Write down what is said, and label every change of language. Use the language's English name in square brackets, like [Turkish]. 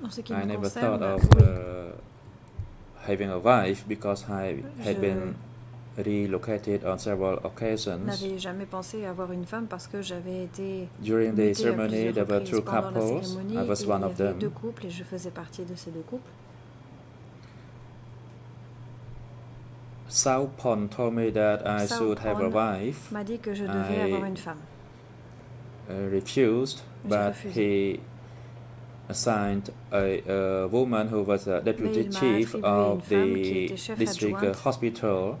[English] I never thought of having a wife because I had been relocated on several occasions. [French] N'avais jamais pensé avoir une femme parce que j'avais été. [English] During the ceremony, there were two couples. I was one of them. [French] Deux couples et je faisais partie de ces deux couples. [English] Soeun told me that I should have a wife. [French] M'a dit que je devais [English] I [French] avoir une femme. [English] Refused, but [French] refusé. [English] He assigned a woman who was a deputy chief of the district hospital